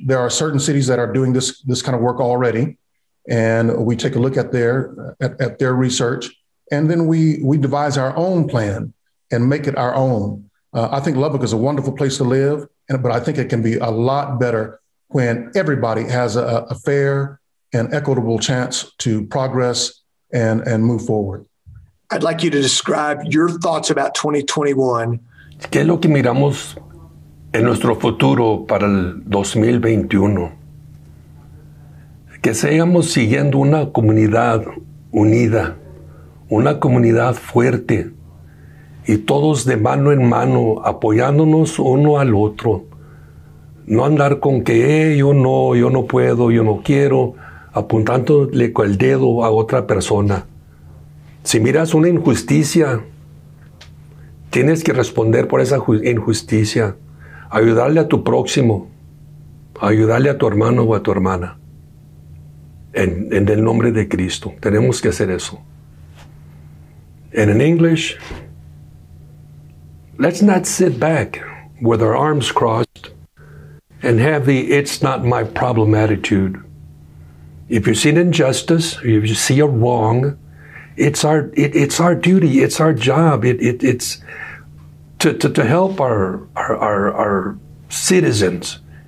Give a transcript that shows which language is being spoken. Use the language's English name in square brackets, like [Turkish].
[English] There are certain cities that are doing this kind of work already, and we take a look at their research, and then we devise our own plan and make it our own. I think Lubbock is a wonderful place to live, but I think it can be a lot better when everybody has a fair and equitable chance to progress and move forward. I'd like you to describe your thoughts about 2021. [Spanish] ¿Qué es lo que miramos en nuestro futuro para el 2021? Que sigamos siguiendo una comunidad unida, una comunidad fuerte, y todos de mano en mano apoyándonos uno al otro. No andar con que yo no puedo, yo no quiero, apuntándole con el dedo a otra persona. Si miras una injusticia, tienes que responder por esa injusticia. Ayudarle a tu próximo, ayudarle a tu hermano o a tu hermana. En el nombre de Cristo, tenemos que hacer eso. [English] And in English, let's not sit back with our arms crossed and have the "it's not my problem" attitude. If you see an injustice, if you see a wrong, it's our duty, it's our job, it's to help our citizens.